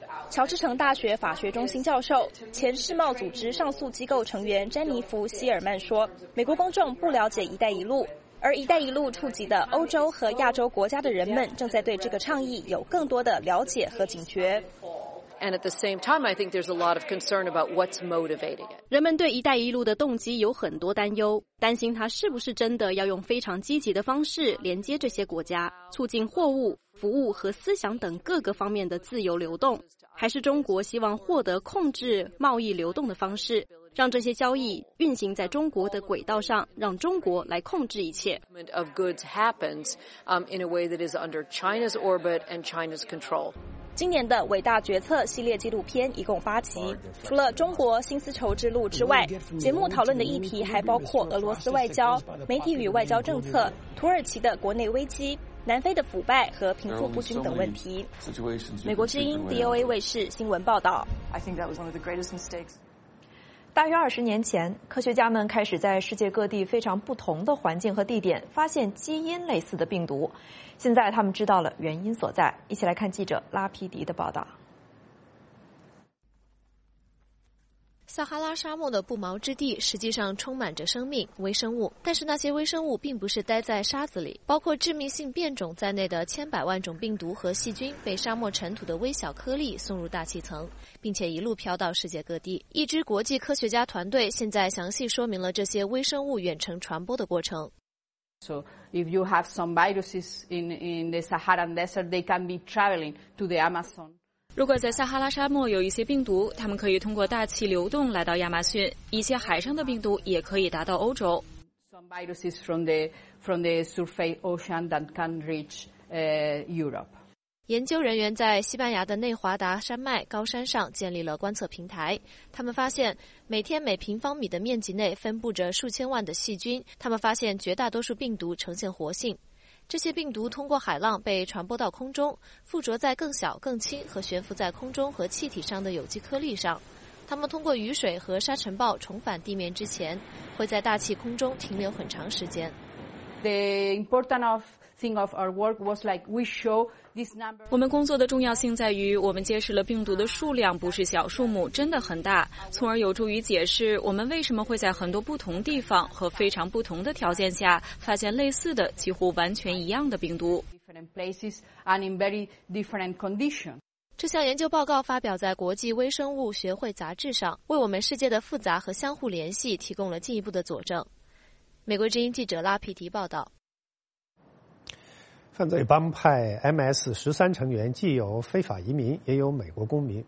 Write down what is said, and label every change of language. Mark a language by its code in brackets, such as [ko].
[zh] 乔治城大学法学中心教授、前世贸组织上诉机构成员詹妮弗·希尔曼说，美国公众不了解一带一路，而一带一路触及的欧洲和亚洲国家的人们正在对这个倡议有更多的了解和警觉。 [en] And at the same time, I think there's a lot of concern about what's motivating it. [zh] 人们对“一带一路”的动机有很多担忧，担心它是不是真的要用非常积极的方式连接这些国家，促进货物、服务和思想等各个方面的自由流动，还是中国希望获得控制贸易流动的方式，让这些交易运行在中国的轨道上，让中国来控制一切。 [en] Of goods happens in a way that is under China's orbit and China's control. [zh] 今年的伟大决策系列纪录片一共8集，除了中国新丝绸之路之外，节目讨论的议题还包括俄罗斯外交、媒体与外交政策、土耳其的国内危机、南非的腐败和贫富不均等问题。美国之音 DOA 卫视新闻报道。大约20年前，科学家们开始在世界各地非常不同的环境和地点发现基因类似的病毒。现在他们知道了原因所在，一起来看记者拉皮迪的报道。撒哈拉沙漠的不毛之地实际上充满着生命、微生物，但是那些微生物并不是待在沙子里。包括致命性变种在内的千百万种病毒和细菌被沙漠尘土的微小颗粒送入大气层，并且一路飘到世界各地。一支国际科学家团队现在详细说明了这些微生物远程传播的过程。 [en] So if you have some viruses in the Saharan desert, they can be traveling to the Amazon. [zh] 如果在撒哈拉沙漠有一些病毒，他们可以通过大气流动来到亚马逊，一些海上的病毒也可以达到欧洲。 [en] Some viruses from the surface ocean that can reach Europe. [zh] 研究人员在西班牙的内华达山脉高山上建立了观测平台，他们发现每天每平方米的面积内分布着数千万的细菌，他们发现绝大多数病毒呈现活性。这些病毒通过海浪被传播到空中，附着在更小、更轻和悬浮在空中和气体上的有机颗粒上。它们通过雨水和沙尘暴重返地面之前，会在大气空中停留很长时间。 [en] The important thing of our work was like we show this number. [zh] 我们工作的重要性在于，我们揭示了病毒的数量不是小数目，真的很大，从而有助于解释我们为什么会在很多不同地方和非常不同的条件下发现类似的、几乎完全一样的病毒。 [en] Different places and in very different conditions. [zh] 这项研究报告发表在国际微生物学会杂志上，为我们世界的复杂和相互联系提供了进一步的佐证。美国之音记者拉皮迪报道。犯罪帮派 MS-13 成员既有非法移民，也有美国公民。